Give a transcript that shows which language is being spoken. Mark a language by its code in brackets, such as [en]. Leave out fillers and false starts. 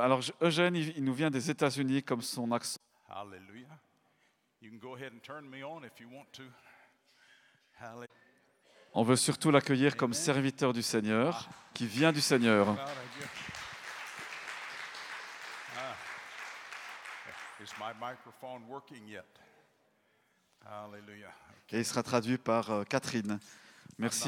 [fr] Alors, Eugène, il nous vient des États-Unis comme son accent. [en] Hallelujah. You can go ahead and turn me on if you want to. Hallelujah. [fr] On veut surtout l'accueillir comme serviteur du Seigneur, qui vient du Seigneur. [en] Is my microphone working yet? Hallelujah. [fr] Et il sera traduit par Catherine. Merci,